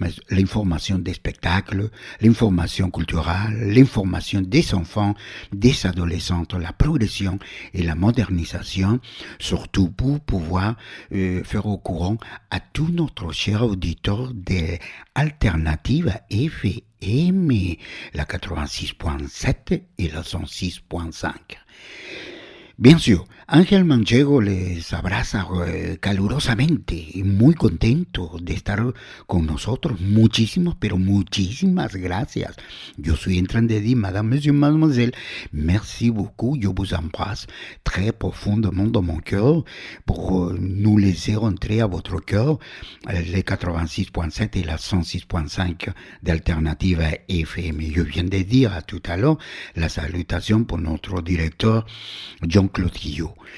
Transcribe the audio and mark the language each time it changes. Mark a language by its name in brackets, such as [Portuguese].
[French] l'information des spectacles, l'information culturelle, l'information des enfants, des adolescents, la progression et la modernisation, surtout pour pouvoir faire au courant à tout notre cher auditeur des Alternatives FM, la 86.7 et la 106.5. [Spanish] Biencio, Ángel Manchego les abraza calurosamente y muy contento de estar con nosotros. Muchísimas, pero muchísimas gracias. [French] Yo soy Entrandedi, madame, monsieur, mademoiselle. Merci beaucoup. Je vous embrasse très profondément dans mon cœur pour nous laisser entrer à votre cœur les 86.7 et la 106.5 d'Alternative FM. Je viens de dire à tout à l'heure la salutation pour notre directeur Jean-Claude Guillot.